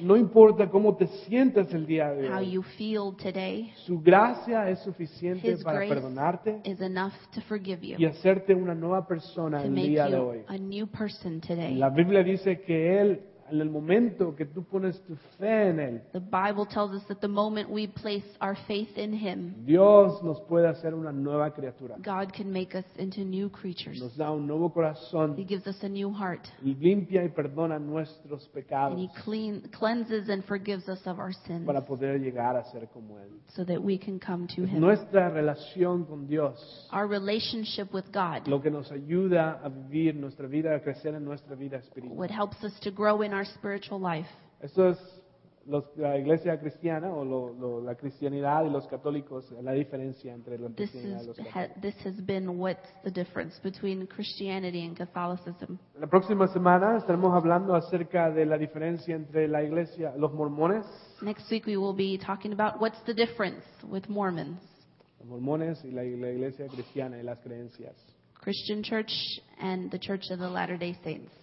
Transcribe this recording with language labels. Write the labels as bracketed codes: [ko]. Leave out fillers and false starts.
[es] No importa cómo te sientas el día de hoy. [en] How you feel today. [es] Su gracia es suficiente para perdonarte. [en] His grace is enough to forgive you. [es] Y hacerte una nueva persona el día de hoy. [en] To make you a new person today. [es] La Biblia dice que Él en el momento que tú pones tu fe en Él. [en] The Bible tells us that the moment we place our faith in Him. [es] Dios nos puede hacer una nueva criatura. [en] God can make us into new creatures. [es] Nos da un nuevo corazón. [en] He gives us a new heart. [es] Y limpia y perdona nuestros pecados. [en] And He cleanses and forgives us of our sins. [es] Para poder llegar a ser como Él. [en] So that we can come to Him. [es] Nuestra relación con Dios. [en] Our relationship with God. [es] Lo que nos ayuda a vivir nuestra vida, a crecer en nuestra vida espiritual. [en] What helps us to grow in our spiritual life. [es] Eso es la iglesia cristiana o la cristianidad y los católicos, la diferencia entre la cristianidad y los católicos. [en] This has been what's the difference between Christianity and Catholicism. [es] La próxima semana estaremos hablando acerca de la diferencia entre la iglesia, los mormones. [en] Next week we will be talking about what's the difference with Mormons. [es] Los mormones y la iglesia cristiana y las creencias. [en] Christian Church and the Church of the Latter-day Saints.